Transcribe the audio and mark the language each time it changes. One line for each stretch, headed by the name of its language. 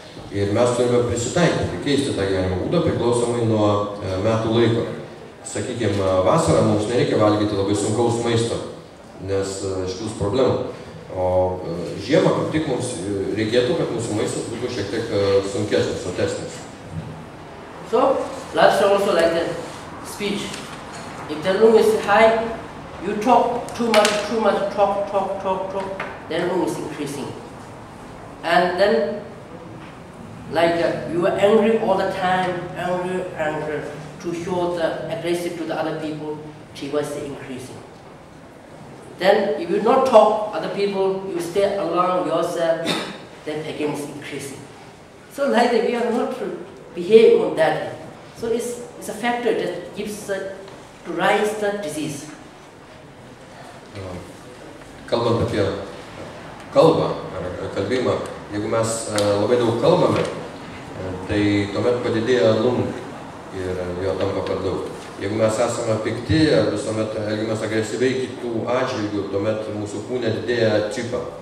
Lithuanian: Ir mes turime prisitaikyti, keisti tą gyvenimo būdą priklausomai nuo metų laiko. Sakykime, vasarą mums nereikia valgyti labai sunkaus maisto, nes iškils problemų. O žiemą kaip tik mums reikėtų, kad mūsų maistas būtų šiek tiek sunkesnis, sotesnis.
English: So, last also like the speech. If the room is high, you talk too much, talk, then room is increasing. And then, like you are angry all the time, angry, to show the aggressive to the other people, she was increasing. Then, if you not talk other people, you stay alone yourself, then again it's increasing. So like that, we are not to behave on that. So it's a factor that gives to rise the disease.
Lithuanian: Kalbant apie kalbą, kalbėjimą, jeigu mes labai daug kalbame, tai tuomet padidėja lung ir jo tampa per daug. Jeigu mes esame pikti, visuomet elgiamės agresyviai kitų atžvilgių, tuomet mūsų kūne didėja cipa.